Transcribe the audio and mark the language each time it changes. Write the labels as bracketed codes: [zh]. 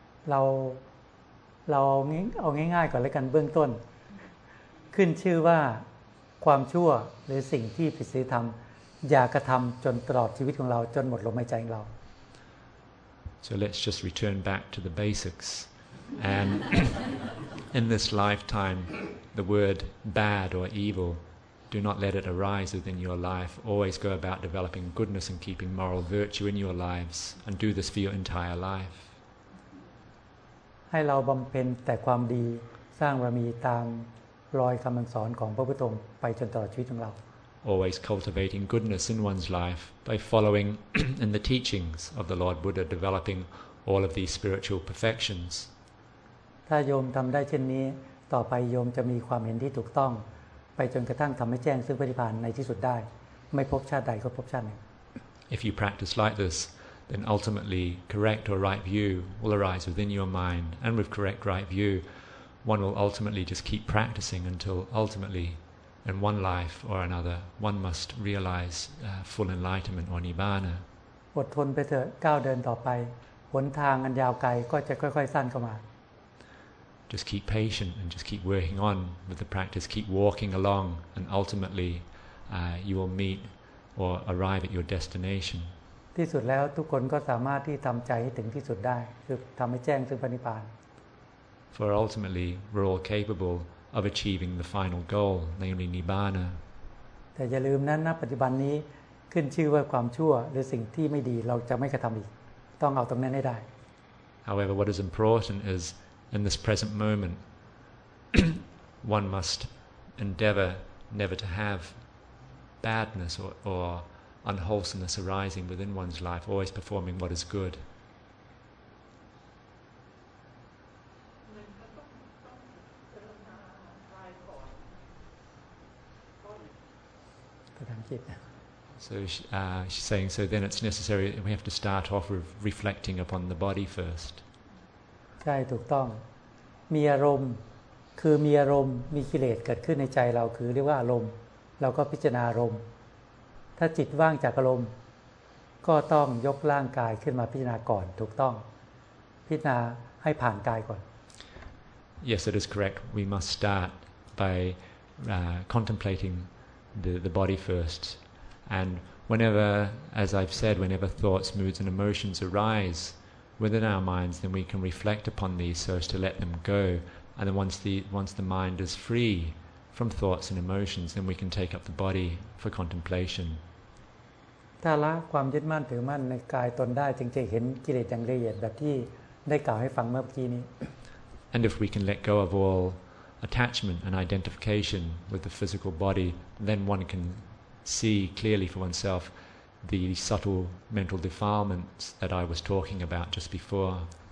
[th] เราเอาง่ายๆก่อนแล้วกันเบื้องต้นขึ้นชื่อว่าความชั่วหรือสิ่งที่ผิดศีลธรรมอย่ากระทำจนตลอดชีวิตของเราจนหมดลมหายใจของเรา [en] So let's just return back to the basics. And in this lifetime,The word bad or evil, do not let it arise within your life. Always go about developing goodness and keeping moral virtue in your lives, and do this for your entire life. [th] ให้เราบำเพ็ญแต่ความดีสร้างบารมีตามรอยคำสอนของพระพุทธองค์ไปจนตลอดชีวิตของเรา [en] Always cultivating goodness in one's life by following in the teachings of the Lord Buddha, developing all of these spiritual perfections. [th] ถ้าโยมทำได้เช่นนี้ต่อไปโยมจะมีความเห็นที่ถูกต้องไปจนกระทั่งทำให้แจ้งซึ่งพระนิพพานในที่สุดได้ไม่พบชาติใดก็พบชาติหนึ่ง [en] If you practice like this then ultimately correct or right view will arise within your mind and with correct right view one will ultimately just keep practicing until ultimately, in one life or another, one must realize full enlightenment or nirvana. [th] อดทนไปเถอะก้าวเดินต่อไปหนทางอันยาวไกลก็จะค่อยๆสั้นเข้ามา [en] Just keep patient and just keep working on with the practice. Keep walking along and ultimately you will meet or arrive at your destination. [th] ที่สุดแล้วทุกคนก็สามารถที่ทำใจให้ถึงที่สุดได้คือทำให้แจ้งซึ่งพระนิพพาน [en] For ultimately we're all capable of achieving the final goal, namely nirvana. [th] แต่อย่าลืมนะณปัจจุบันนี้ขึ้นชื่อว่าความชั่วหรือสิ่งที่ไม่ดีเราจะไม่กระทำอีกต้องเอาตรงนั้นให้ได้ [en] However, what is important is in this present moment, one must endeavor never to have badness or unwholesomeness arising within one's life, always performing what is good. So she's saying, so then it's necessary, we have to start off with reflecting upon the body first. [th] ใช่ถูกต้องมีอารมณ์คือมีอารมณ์มีกิเลสเกิดขึ้นในใจเราคือเรียกว่าอารมณ์เราก็พิจารณาอารมณ์ถ้าจิตว่างจากอารมณ์ก็ต้องยกร่างกายขึ้นมาพิจารณาก่อนถูกต้องพิจารณาให้ผ่านกายก่อน [en] Yes, it is correct. We must start by contemplating the body firstAnd whenever, as I've said, whenever thoughts, moods, and emotions arise within our minds, then we can reflect upon these so as to let them go. And then once the mind is free from thoughts and emotions, then we can take up the body for contemplation. [th] ถ้าละความยึดมั่นถือมั่นในกายตนได้จริงๆเห็นกิเลสอย่างละเอียดแบบที่ได้กล่าวให้ฟังเมื่อกี้นี้ [en] And if we can let go of all attachment and identification with the physical body, then one can. See clearly for oneself the subtle mental defilements that I was talking about just before.